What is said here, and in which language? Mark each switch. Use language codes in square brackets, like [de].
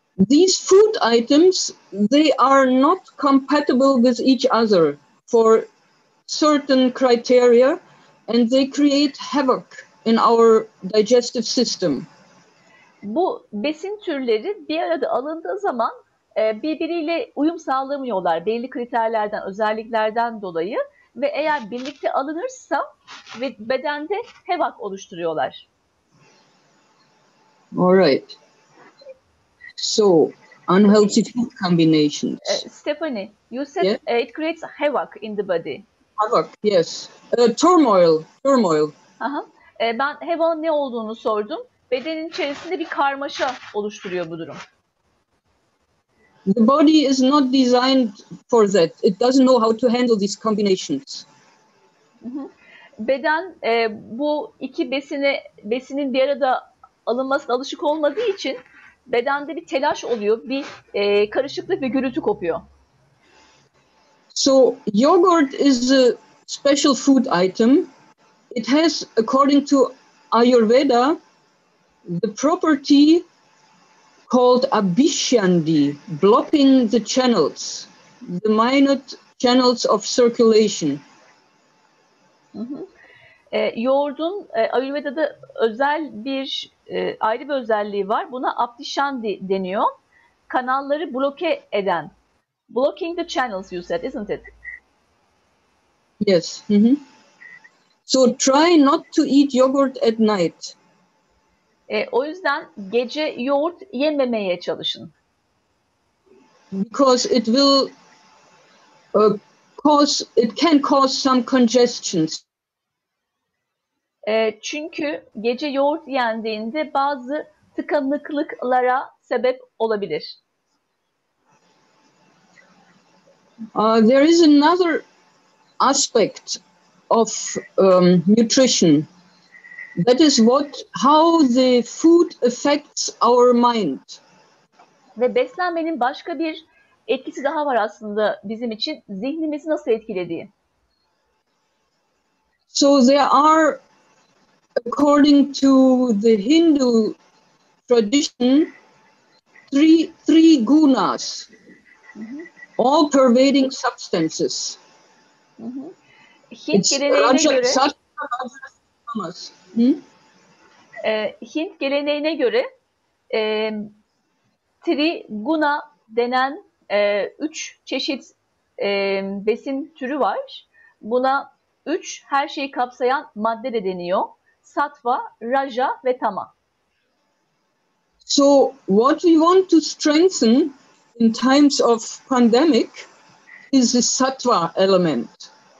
[en] These food items, they are not compatible with each other for certain criteria and they create havoc in our digestive system. [tr] Bu besin türleri bir arada alındığı zaman birbiriyle uyum sağlamıyorlar belli kriterlerden, özelliklerden dolayı. Ve eğer birlikte alınırsa bedende havoc oluşturuyorlar. [en] All right. So, unhealthy food combinations. Stephanie, you said yeah? It creates havoc in the body. Havoc, yes. Turmoil. [tr] Uh-huh. Ben havoc ne olduğunu sordum. Bedenin içerisinde bir karmaşa oluşturuyor bu durum. [en] The body is not designed for that. It doesn't know how to handle these combinations. [tr] Beden bu iki besinin bir arada alınmasına alışık olmadığı için bedende bir telaş oluyor, bir karışıklık ve gürültü kopuyor. [en] So yogurt is a special food item. It has, according to Ayurveda, the property called abhishandi, blocking the channels, the minute channels of circulation. [tr] Yoğurdun Ayurveda'da özel bir ayrı bir özelliği var. Buna abhishandi deniyor. kanalları bloke eden. [en] Blocking the channels, you said, isn't it? Yes. Mm-hmm. So try not to eat yogurt at night. [tr] O yüzden gece yoğurt yememeye çalışın. [en] Because it will cause some congestions. [tr] Çünkü gece yoğurt yendiğinde bazı tıkanıklıklara sebep olabilir. [en] There is another aspect of nutrition. That is how the food affects our mind. [tr] Ve beslenmenin başka bir etkisi daha var aslında bizim için, zihnimizi nasıl etkilediği. [en] So there are, according to the Hindu tradition, three gunas, all pervading substances. [tr] Hint geleneğine göre tri guna denen üç çeşit besin türü var. Buna üç her şeyi kapsayan madde de deniyor. Sattva, raja ve tama. [en] So what we want to strengthen in times of pandemic is the sattva element.